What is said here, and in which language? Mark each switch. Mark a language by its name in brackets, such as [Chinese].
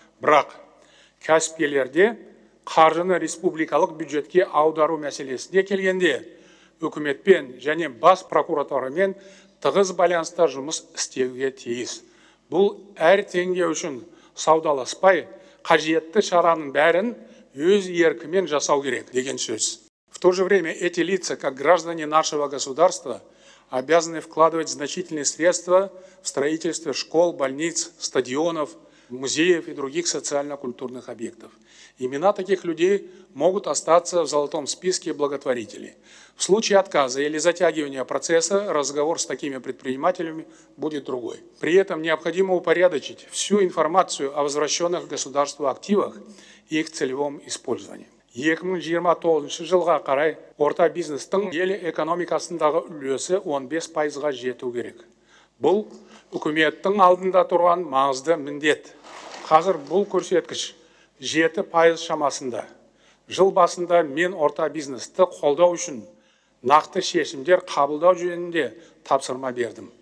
[Kazakh] Бірақ кәсіпкерлерде қаржыны республикалық бюджетке аудару мәселесіне келгенде үкіметпен және бас прокуратурамен тығыз байланыста жұмыс істеуге тиіс. Бұл әр теңге үшін саудаласпай қажетті шараның бәрін өз еркімен жасау керек деген сөз. [Russian] В то же время эти лица, как граждане нашего государства, обязаны вкладывать значительные средства в строительство школ, больниц, стадионов, музеев и других социально-культурных объектов. Имена таких людей могут остаться в золотом списке благотворителей. В случае отказа или затягивания процесса разговор с такими предпринимателями будет другой. При этом необходимо упорядочить всю информацию о возвращенных государству активах и их целевом использовании. [Kazakh] 2029 жылға қарай орта бизнестің ел экономикасындағы үлесі 15%-ға жету керек. Бұл үкіметтің алдында тұрған маңызды міндет. Қазір бұл көрсеткіш 7% шамасында. Жыл басында мен орта бизнесті қолдау үшін нақты шешімдер қабылдау жөнінде тапсырма бердім.